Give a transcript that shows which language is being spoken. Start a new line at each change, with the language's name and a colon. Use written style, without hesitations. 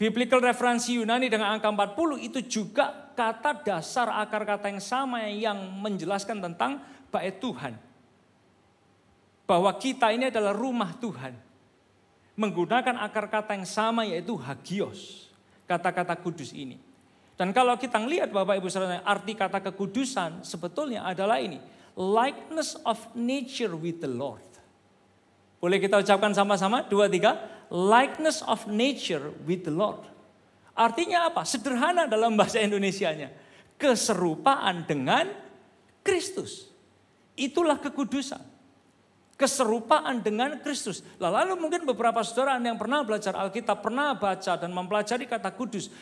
Indonesian: Biblical referensi Yunani dengan angka 40 itu juga kata dasar akar kata yang sama yang menjelaskan tentang bait Tuhan. Bahwa kita ini adalah rumah Tuhan. Menggunakan akar kata yang sama yaitu hagios. Kata-kata kudus ini. Dan kalau kita lihat Bapak Ibu saudara, arti kata kekudusan sebetulnya adalah ini.
English: Likeness of nature with the Lord.
Indonesian: Boleh kita ucapkan sama-sama?
English: 2, 3. Likeness of nature with the Lord.
Indonesian: Artinya apa? Sederhana dalam bahasa Indonesianya. Keserupaan dengan Kristus. Itulah kekudusan. Keserupaan dengan Kristus. Lalu mungkin beberapa saudara yang pernah belajar Alkitab, pernah baca dan mempelajari kata kudus.